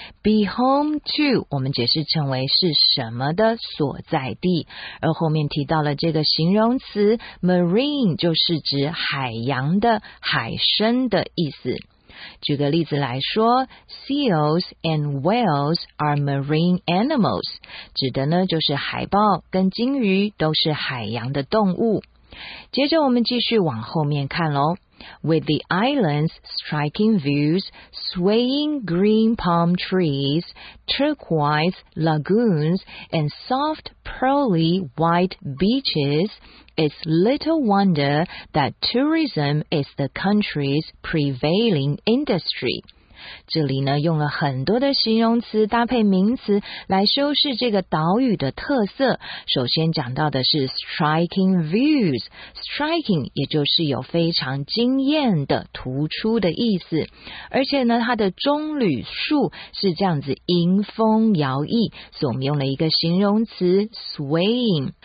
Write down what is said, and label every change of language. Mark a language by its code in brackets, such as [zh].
[en] Be home to [zh] 我们解释成为是什么的所在地，而后面提到了这个形容词 marine 就是指海洋的海参的意思。举个例子来说 , [en] seals and whales are marine animals, [zh] 指的呢就是海豹跟鲸鱼都是海洋的动物。接着我们继续往后面看咯。 [en] With the island's striking views, swaying green palm trees, turquoise lagoons, and soft pearly white beaches, it's little wonder that tourism is the country's prevailing industry. [zh] 这里呢用了很多的形容词搭配名词来修饰这个岛屿的特色。首先讲到的是 [en] striking views， [zh] striking 也就是有非常惊艳的突出的意思，而且呢它的棕榈树是这样子迎风摇曳，所以我们用了一个形容词 swaying。